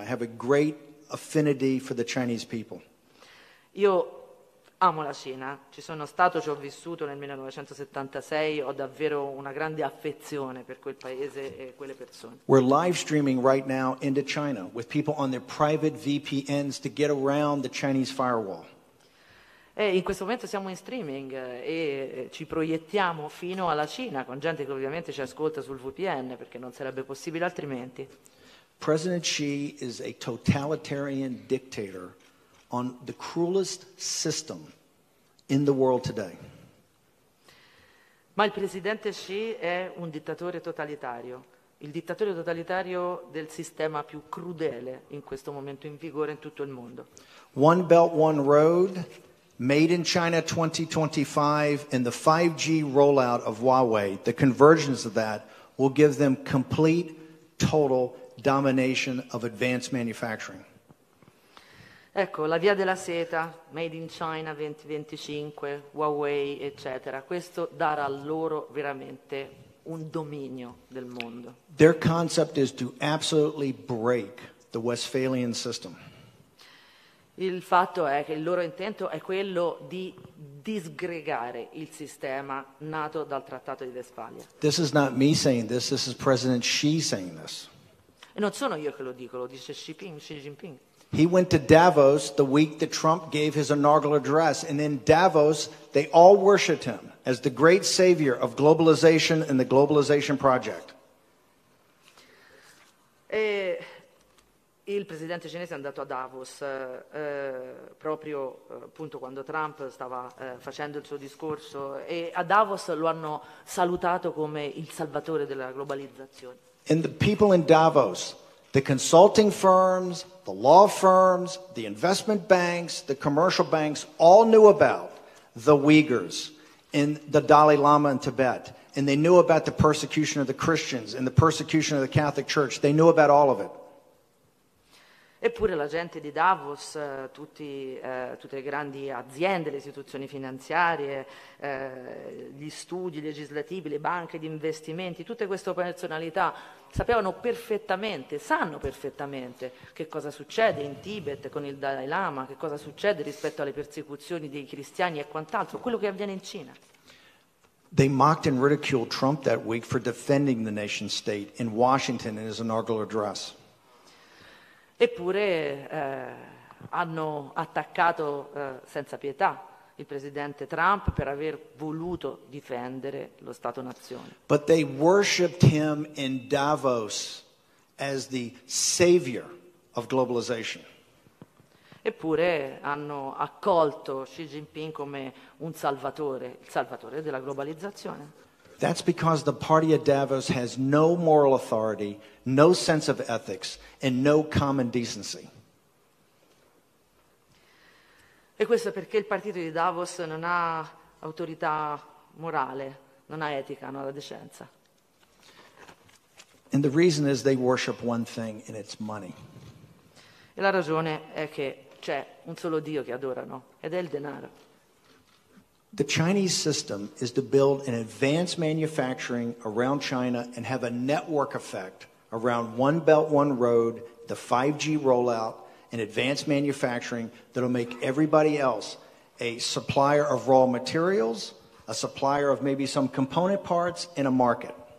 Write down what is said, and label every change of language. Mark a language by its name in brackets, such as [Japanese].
[English] I have a great affinity for the Chinese people. [Italian] Io amo la Cina, ci sono stato, ci ho vissuto nel 1976, ho davvero una grande affezione per quel paese e quelle persone. [English] We're live streaming right now into China with people on their private VPNs to get around the Chinese firewall. [Italian] E in questo momento siamo in streaming e ci proiettiamo fino alla Cina con gente che ovviamente ci ascolta sul VPN perché non sarebbe possibile altrimenti. [English] President Xi is a totalitarian dictator on the cruelest system in the world today. [Italian] Ma il presidente Xi è un dittatore totalitario, il dittatore totalitario del sistema più crudele in questo momento in vigore in tutto il mondo. [English] One Belt One Road, Made in China 2025, and the 5G rollout of Huawei, the convergence of that will give them complete total domination of advanced manufacturing. [Italian] Ecco, la via della seta, Made in China 2025, Huawei, eccetera. Questo darà loro veramente un dominio del mondo. [English] Their concept is to absolutely break the Westphalian system. [Italian] Il fatto è che il loro intento è quello di disgregare il sistema nato dal Trattato di Vestfalia. [English] This is not me saying this, this is President Xi saying this. [Italian] E non sono io che lo dico, lo dice Xi Jinping. [English] He went to Davos the week that Trump gave his inaugural address, and in Davos they all worshiped him as the great savior of globalization and the globalization project. [Italian] E il presidente cinese è andato a Davos proprio appunto quando Trump stava facendo il suo discorso, e a Davos lo hanno salutato come il salvatore della globalizzazione. [English] And the people in Davos, the consulting firms, the law firms, the investment banks, the commercial banks, all knew about the Uyghurs and the Dalai Lama in Tibet, and they knew about the persecution of the Christians and the persecution of the Catholic Church. They knew about all of it. [Italian] Eppure la gente di Davos, tutte le grandi aziende, le istituzioni finanziarie, gli studi legislativi, le banche di investimenti, tutte queste personalità sapevano perfettamente, sanno perfettamente che cosa succede in Tibet con il Dalai Lama, che cosa succede rispetto alle persecuzioni dei cristiani e quant'altro, quello che avviene in Cina. [English] They mocked and ridiculed Trump that week for defending the nation state in Washington in his inaugural address. [Italian] Eppure hanno attaccato senza pietà il presidente Trump per aver voluto difendere lo Stato-nazione. [English] But they worshipped him in Davos as the savior of globalization. [Italian] Eppure hanno accolto Xi Jinping come un salvatore, il salvatore della globalizzazione. [English] That's because the party of Davos has no moral authority, no sense of ethics, and no common decency. [Italian] E questo perché il partito di Davos non ha autorità morale, non ha etica, non ha la decenza. [English] And the reason is they worship one thing, and it's money. [Italian] E la ragione è che c'è un solo Dio che adorano, ed è il denaro. [English] The Chinese system is to build an advanced manufacturing around China and have a network effect around One Belt, One Road, the 5G rollout, and advanced manufacturing that'll make everybody else a supplier of raw materials, a supplier of maybe some component parts, and a market.